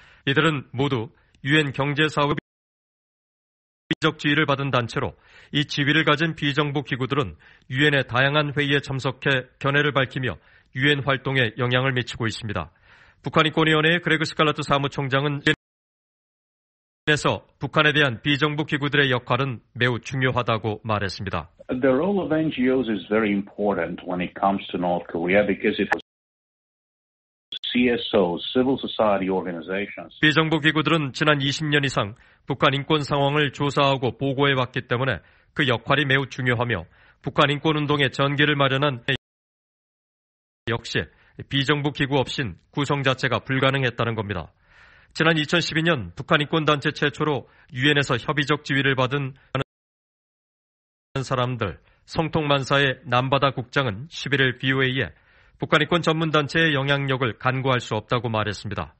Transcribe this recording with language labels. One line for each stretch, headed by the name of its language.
Korean: 이들은 모두 유엔 경제사업의 비정적 지위를 받은 단체로 이 지위를 가진 비정부 기구들은 유엔의 다양한 회의에 참석해 견해를 밝히며 유엔 활동에 영향을 미치고 있습니다. 북한 인권위원회의 그레그 스칼라트 사무총장은 그래서 북한에 대한 비정부 기구들의 역할은 매우 중요하다고 말했습니다.
English: The role of NGOs is very important when it comes to North Korea because it was CSO, civil society organizations.
Korean: 비정부 기구들은 지난 20년 이상 북한 인권 상황을 조사하고 보고해 왔기 때문에 그 역할이 매우 중요하며 북한 인권 운동의 전기를 마련한 역시 비정부 기구 없인 구성 자체가 불가능했다는 겁니다. 지난 2012년 북한 인권단체 최초로 유엔에서 협의적 지위를 받은 사람들 성통만사의 남바다 국장은 11일 VOA에 북한 인권 전문단체의 영향력을 간과할 수 없다고 말했습니다.